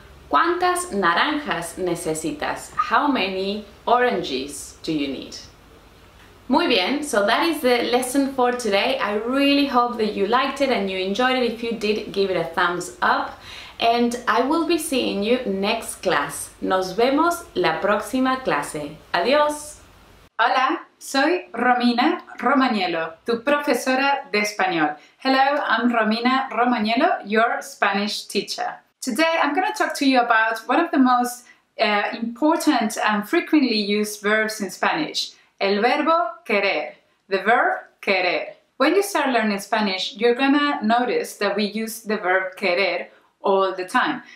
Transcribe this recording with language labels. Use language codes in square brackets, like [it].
[es] ¿Cuántas naranjas necesitas? [en] How many oranges do you need? [es] Muy bien, [en] so that is the lesson for today. I really hope that you liked it and you enjoyed it. If you did, give it a thumbs up. And I will be seeing you next class. [es] Nos vemos la próxima clase. Adiós. Hola, soy Romina Romagnello, tu profesora de español. [en] Hello, I'm Romina Romagnello, your Spanish teacher. Today I'm going to talk to you about one of the most important and frequently used verbs in Spanish. [es] El verbo querer. [en] The verb querer. When you start learning Spanish, you're going to notice that we use the verb querer all the time.